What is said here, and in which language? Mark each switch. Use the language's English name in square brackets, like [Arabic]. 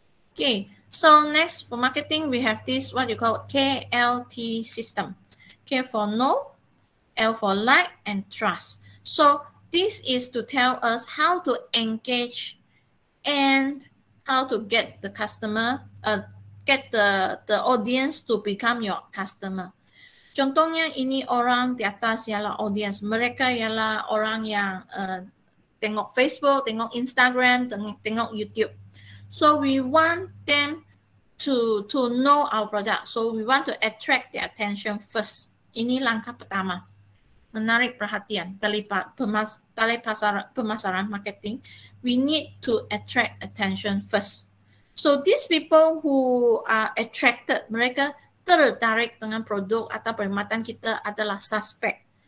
[English] Okay, so next for marketing, we have this what you call KLT system. K for know, L for like, and trust. So this is to tell us how to engage and how to get the customer, get the audience to become your customer. [Malay] Contohnya ini orang di atas ialah audience, mereka ialah orang yang tengok Facebook, tengok Instagram, tengok YouTube. [English] So we want them to know our product. So we want to attract their attention first. [Malay] Ini langkah pertama. Menarik perhatian dari pemasaran marketing. [English] We need to attract attention first. So these people who are attracted, [Malay] mereka tertarik dengan produk atau perkhidmatan kita adalah suspect.